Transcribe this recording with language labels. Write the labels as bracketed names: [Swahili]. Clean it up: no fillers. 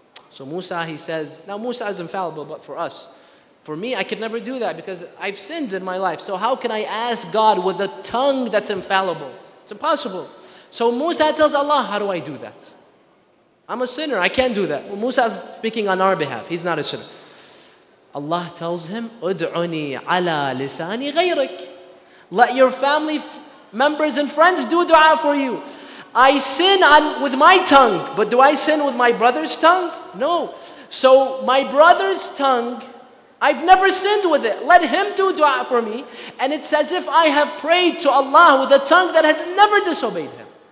[English] So Musa, he says, now Musa is infallible, but for us, for me, I could never do that because I've sinned in my life. So how can I ask God with a tongue that's infallible? It's impossible. So Musa tells Allah, how do I do that? I'm a sinner, I can't do that. Well, Musa is speaking on our behalf, he's not a sinner. Allah tells him, [Arabic] ادعني على لسان غيرك. [English] Let your family members and friends do dua for you. I sin with my tongue, but do I sin with my brother's tongue? No. So my brother's tongue, I've never sinned with it. Let him do dua for me. And it's as if I have prayed to Allah with a tongue that has never disobeyed him.